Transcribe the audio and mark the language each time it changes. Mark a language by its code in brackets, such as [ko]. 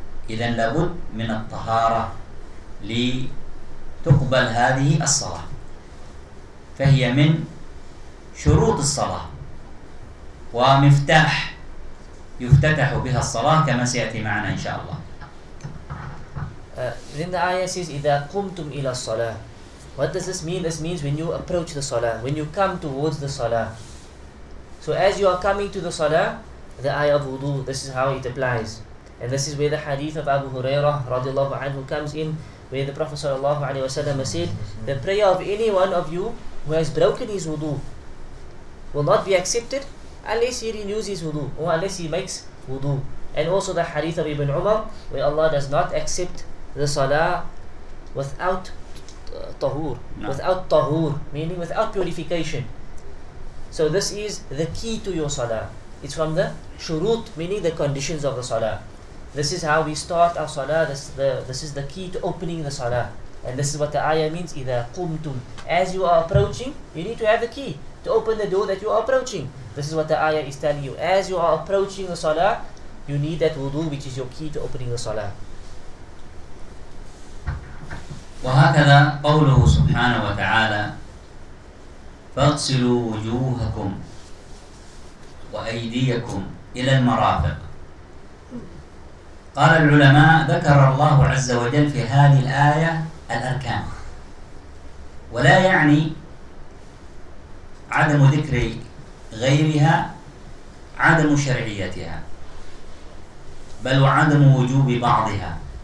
[ar] إذن لابد من الطهارة لتقبل هذه الصلاة، فهي من شروط الصلاة ومفتاح يفتتح بها الصلاة كما سيأتي معنا إن شاء الله. [en] Then the ayah says, إذا قمتم إلى الصلاة. What does this mean? This means when you approach the salah, when you come towards the salah. So as you are coming to the salah, the ayah of wudu, this is how it applies. And this is where the hadith of Abu Hurairah radiallahu anhu comes in, where the Prophet sallallahu alayhi wa sallam said, the prayer of any one of you who has broken his wudu will not be accepted unless he renews his wudu, or unless he makes wudu. And also the hadith of Ibn Umar, where Allah does not accept the salah without tahur, without tahur, meaning without purification. So this is the key to your salah. It's from the shurut, meaning the conditions of the salah. This is how we start our salah. This is the key to opening the salah. And this is what the ayah means, إِذَا قُمْتُمْ. As you are approaching, you need to have the key to open the door that you are approaching. This is what the ayah is telling you. As you are approaching the salah, you need that wudu, which is your key to opening the salah. [ar] وهكذا قوله سبحانه وتعالى فاغسلوا وجوهكم وأيديكم إلى المرافق. قال العلماء ذكر الله عز وجل في هذه الآية الأركان، ولا يعني عدم ذكر غيرها عدم شرعيتها، بل وعدم وجوب بعضها.